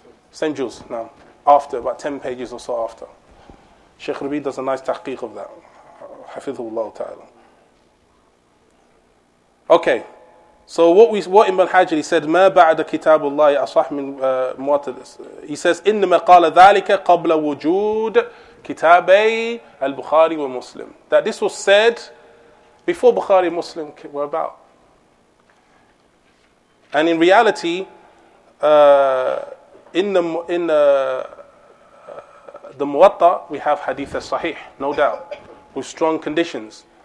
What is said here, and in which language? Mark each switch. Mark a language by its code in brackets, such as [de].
[en] Same Jews, now, after, about 10 pages or so after. Sheikh Rabi does a nice tahqiq of that. Hafidhullah ta'ala. Okay, so what Ibn Hajar, he said, [ar] مَا بَعْدَ كِتَابُ اللَّهِ أَصَحْ مِنْ مُوَتَدِسِ. [en] He says, [ar] إِنَّمَا قَالَ ذَلِكَ قَبْلَ وُجُودِ كِتَابَي الْبُخَارِ وَمُسْلِمِ. [en] That this was said before Bukhari and Muslim were about. And in reality, In the Muwatta, we have Hadith al-Sahih, no doubt, with strong conditions.